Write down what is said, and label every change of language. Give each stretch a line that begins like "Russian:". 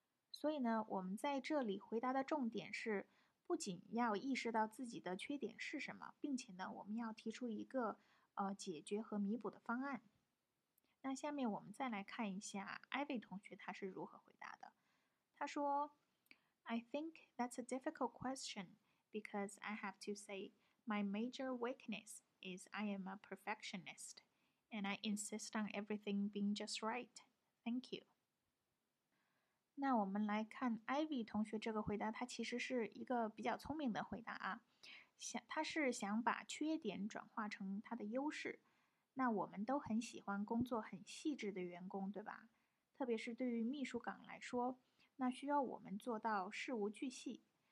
Chinese: 所以呢我们在这里回答的重点是，不仅要意识到自己的缺点是什么，并且呢我们要提出一个解决和弥补的方案。那下面我们再来看一下 Ivy 同学他是如何回答的。他说
English: I think that's a difficult question because I have to say my major weakness is I am a perfectionist and I insist on everything being just right. Thank you.
Chinese: 那我们来看 Ivy 同学这个回答，他其实是一个比较聪明的回答啊。他是想把缺点转化成他的优势。那我们都很喜欢工作很细致的员工，对吧？特别是对于秘书岗来说，那需要我们做到事无巨细。